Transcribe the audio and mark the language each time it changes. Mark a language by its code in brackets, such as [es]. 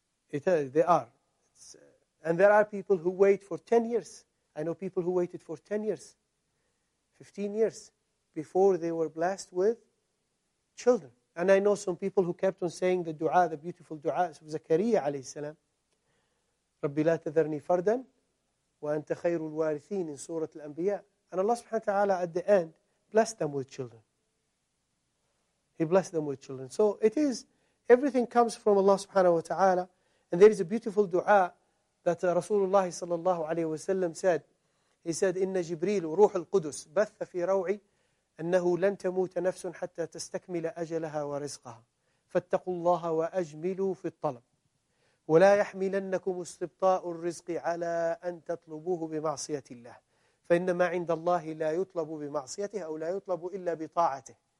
[en] They are. And there are people who wait for 10 years. I know people who waited for 10 years, 15 years, before they were blessed with children. And I know some people who kept on saying the dua, the beautiful dua of Zakariya alayhi salam. [ar] رَبِّ لَا تَذَرْنِي فَرْدًا وَأَنْتَ خَيْرُ الْوَارِثِينَ [en] in Surah Al-Anbiya. And Allah subhanahu wa ta'ala at the end blessed them with children. He blessed them with children. So it is, everything comes from Allah subhanahu wa ta'ala. And there is a beautiful dua that Rasulullah sallallahu alayhi wa sallam said. He said, [ar] إِنَّ جِبْرِيلُ رُوحُ الْقُدُسِ بَثَّ فِي رَوْعِي أَنَّهُ لَن تَمُوتَ نَفْسٌ حَتَّى تَسْتَكْمِلَ أَجَلَهَا وَرِزْقَهَا فَاتَّقُوا اللَّهَ وَأَجْمِلُوا فِي الطَّلَبِ وَلَا يَحْمِلَنَّكُمُ اسْتِبْطَاءُ الرِّزْقِ عَلَى أَن تَطْلُبُوهُ بِمَعْصِيَةِ اللَّهِ فَإِنَّمَا عِنْدَ اللَّهِ لَا يُطْلَبُ بِمَعْصِيَتِهِ أَوْ لَا يُطْلَبُ إِلَّا بِطَاعَتِهِ.